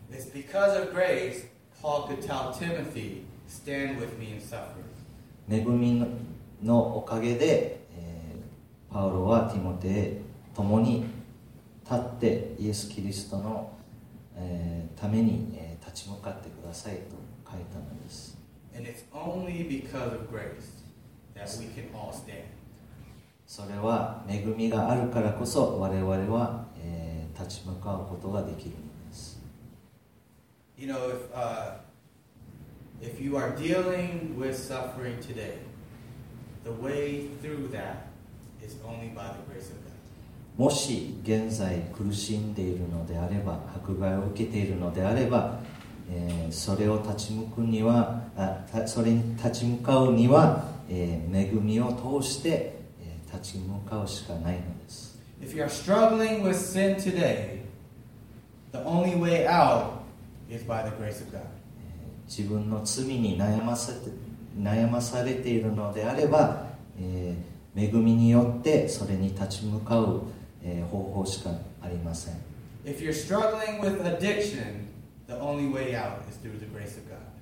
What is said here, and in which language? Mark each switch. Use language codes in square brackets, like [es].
[en] It's because of grace, Paul could tell Timothy, "Stand with me and suffer." [ja] 恵みのおかげで、パウロはティモテへ共に立ってイエス・キリストの、ために、立ち向かってくださいと書いたのです。 [en] And it's only because of grace that we can all stand. [ja] それは恵みがあるからこそ我々は、立ち向かうことができるんです。 [en] You know, if you are dealing with suffering today, the way through that is only by the grace of God. [ja] もし現在苦しんでいるのであれば、迫害を受けているのであれば、それを立ち向くには、それに立ち向かうには、恵みを通して、立ち向かうしかないのです。 [en] If you are struggling with sin today, the only way out is by the grace of God. [ja] 自分の罪に悩まされているのであれば、恵みによってそれに立ち向かう方法しかありません。 [en] If you're struggling with addiction, the only way out is through the grace of God.